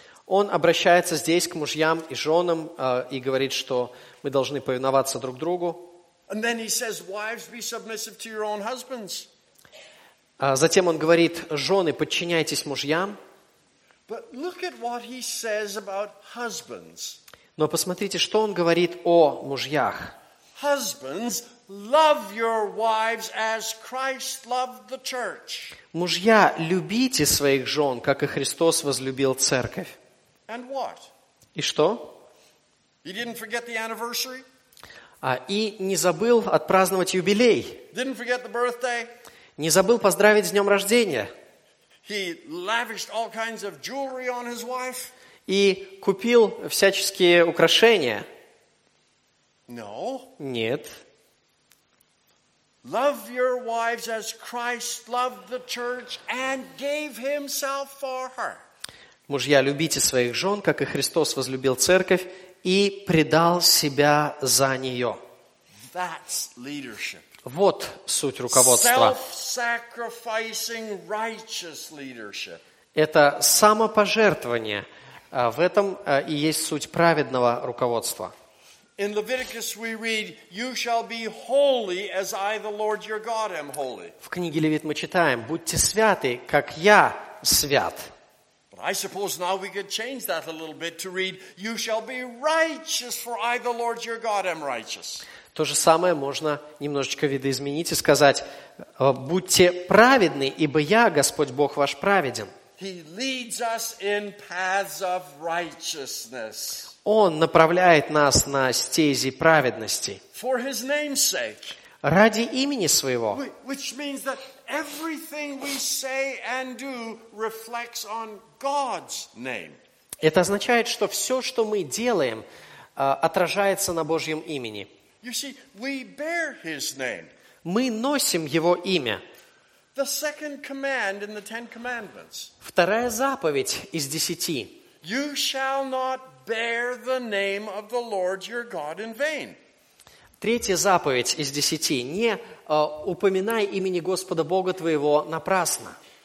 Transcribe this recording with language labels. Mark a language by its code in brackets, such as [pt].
[ru] Он обращается здесь к мужьям и женам и говорит, что мы должны повиноваться друг другу. [en] And then he says, wives, be submissive to your own husbands. [ru] Затем он говорит, жены, подчиняйтесь мужьям. [en] But look at what he says about husbands. [ru] Но посмотрите, что он говорит о мужьях. [en] Husbands, love your wives as Christ loved the church. [ru] Мужья, любите своих жен, как и Христос возлюбил церковь. [en] And what? [ru] И что? [en] He didn't forget the anniversary? [ru] И не забыл отпраздновать юбилей. [en] Didn't forget the birthday? [ru] Не забыл поздравить с днем рождения. [en] He lavished all kinds of jewelry on his wife. [ru] И купил всяческие украшения. [en] No. [ru] Нет. [en] Love your wives as Christ loved the church and gave himself for her. [ru] Мужья, любите своих жен, как и Христос возлюбил церковь и предал себя за нее. [en] That's leadership. [ru] Вот суть руководства. [en] Self-sacrificing righteous leadership. [ru] Это самопожертвование. В этом и есть суть праведного руководства. [en] In Leviticus we read, "You shall be holy as I, the Lord your God, am holy." [ru] В книге Левит мы читаем: "Будьте святы, как я свят." [en] But I suppose now we could change that a little bit to read, "You shall be righteous, for I, the Lord your God, am righteous." [ru] То же самое можно немножечко видоизменить и сказать: "Будьте праведны, ибо я, Господь Бог ваш, праведен." [en] He leads us in paths of righteousness. [ru] Он направляет нас на стези праведности. [en] For his name's sake. [ru] Ради имени своего. [en] Which means that everything we say and do reflects on God's name. [ru] Это означает, что все, что мы делаем, отражается на Божьем имени. [en] You see, we bear his name. [ru] Мы носим его имя. [en] The second command in the Ten Commandments. [ru] Вторая заповедь из десяти. [en] You shall not bear the name of the Lord your God in vain. [ru] Третья заповедь из десяти. Не упоминай имени Господа Бога твоего напрасно.